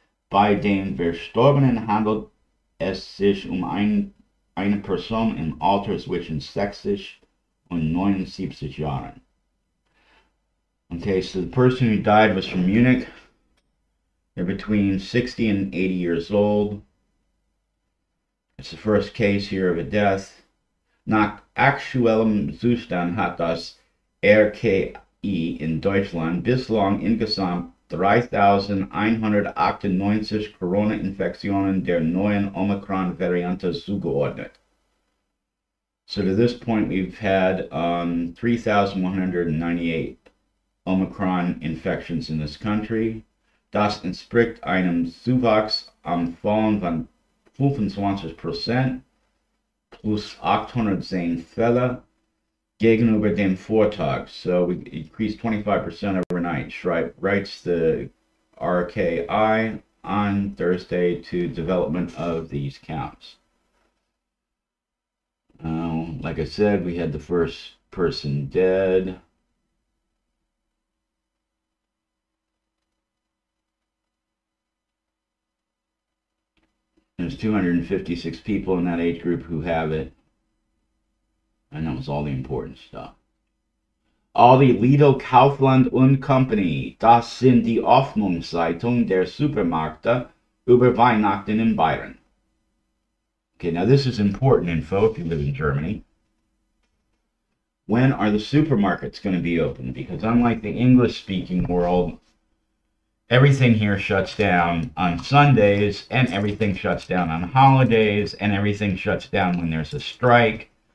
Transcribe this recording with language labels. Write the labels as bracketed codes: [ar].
[de] Bei den Verstorbenen handelt es sich um eine Person im Alter zwischen 60 und 79 Jahren. [en] Okay, so the person who died was from Munich. They're between 60 and 80 years old. It's the first case here of a death. [de] Nach aktuellem Zustand hat das RKI in Deutschland bislang insgesamt 3,198 Corona-Infektionen der neuen Omikron-Variante zugeordnet. [en] So to this point, we've had 3,198 Omikron infections in this country. [de] Das entspricht einem Zuwachs am Fallen von 25% plus 810 Fälle gegenüber dem Vortag. [en] So we increased 25% overnight, writes the RKI on Thursday to development of these counts. Like I said, we had the first person dead. There's 256 people in that age group who have it. And that was all the important stuff. Aldi, Lidl, Kaufland und Company. [de] Das sind die Hoffnungszeitung der Supermärkte über Weihnachten in Bayern. [en] Okay, now this is important info if you live in Germany. When are the supermarkets going to be open? Because unlike the English-speaking world, everything here shuts down on Sundays, and everything shuts down on holidays, and everything shuts down when there's a strike.